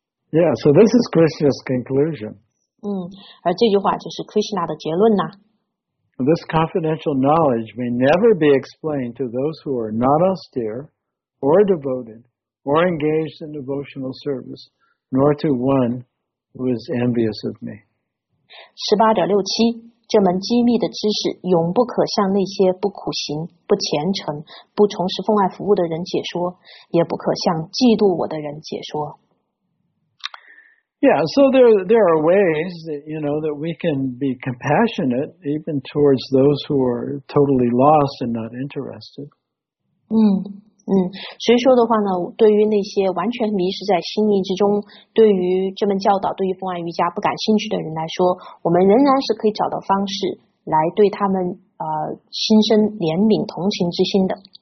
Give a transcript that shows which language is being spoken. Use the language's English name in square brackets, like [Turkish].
[English] Yeah, so this is Krishna's conclusion. [Chinese] 而这句话就是 Krishna 的结论呐。 [English] This confidential knowledge may never be explained to those who are not austere, or devoted, or engaged in devotional service. Nor to one who is envious of me. [Chinese] 18.67, 这门机密的知识永不可向那些不苦行、不虔诚、不从事奉爱服务的人解说，也不可向嫉妒我的人解说。 [English] Yeah, so there are ways that, you know, that we can be compassionate even towards those who are totally lost and not interested. [Chinese] 所以说的话呢，对于那些完全迷失在心意之中，对于这门教导，对于奉爱瑜伽不感兴趣的人来说，我们仍然是可以找到方式来对他们心生怜悯同情之心的。